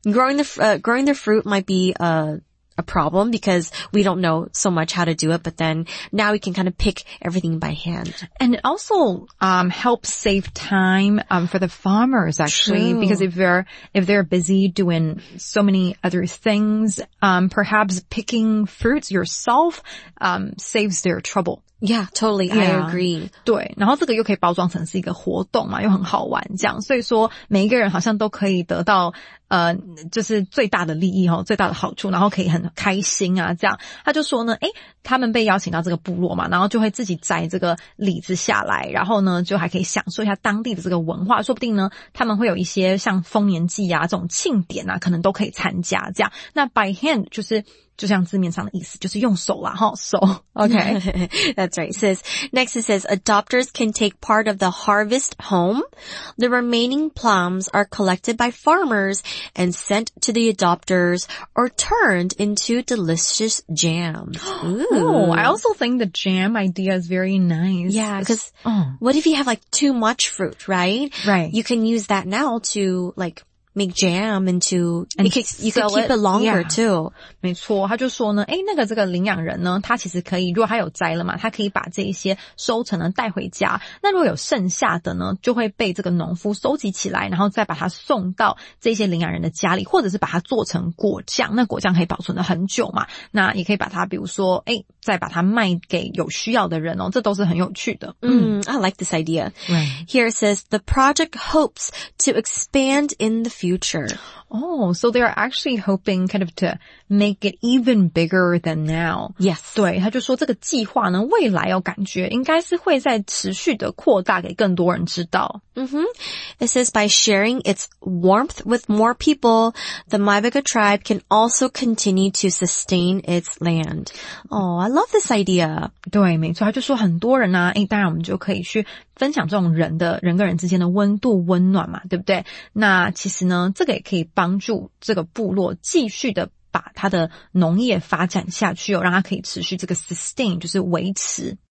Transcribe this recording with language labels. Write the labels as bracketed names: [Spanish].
[English] Growing the fruit might be a problem because we don't know so much how to do it, but then now we can kind of pick everything by hand. And it also helps save time for the farmers, actually. True. Because if they're busy doing so many other things, perhaps picking fruits yourself saves their trouble. Yeah, totally. Yeah. I agree. [Chinese] 对，然后这个又可以包装成是一个活动嘛，又很好玩这样。所以说每一个人好像都可以得到就是最大的利益齁，最大的好处，然后可以很开心啊这样。他就说呢，诶，他们被邀请到这个部落嘛，然后就会自己摘这个李子下来，然后呢就还可以享受一下当地的这个文化，说不定呢他们会有一些像丰年祭啊这种庆典啊可能都可以参加这样。那 by hand 就是就像字面上的意思，就是用手啦，齁，手。 [English] Okay. That's right. Next it says, adopters can take part of the harvest home. The remaining plums are collected by farmers and sent to the adopters or turned into delicious jams. Ooh. Oh, I also think the jam idea is very nice. Yeah, because what if you have like too much fruit, right? Right. You can use that now to like... make jam into, and you can keep it longer too. [Chinese] 没错，他就说呢，诶，那个这个领养人呢，他其实可以，如果他有摘了嘛，他可以把这一些收成呢带回家。那如果有剩下的呢，就会被这个农夫收集起来，然后再把它送到这些领养人的家里，或者是把它做成果酱。那果酱可以保存的很久嘛，那也可以把它，比如说，诶，再把它卖给有需要的人哦，这都是很有趣的。 [English] I like this idea. Here it says, the project hopes to expand in the future. Oh, so they are actually hoping kind of to make it even bigger than now. Yes. [Chinese] 对，他就说这个计划呢，未来哦，感觉应该是会在持续的扩大给更多人知道。 [English] It says by sharing its warmth with more people, the Mibega tribe can also continue to sustain its land. Oh, I love this idea. [Chinese] 对，没错，他就说很多人啊，诶，当然我们就可以去分享这种人跟人之间的温度温暖嘛，对不对？那其实呢，这个也可以帮助这个部落继续的把它的农业发展下去哦，让它可以持续这个 sustain， 就是维持。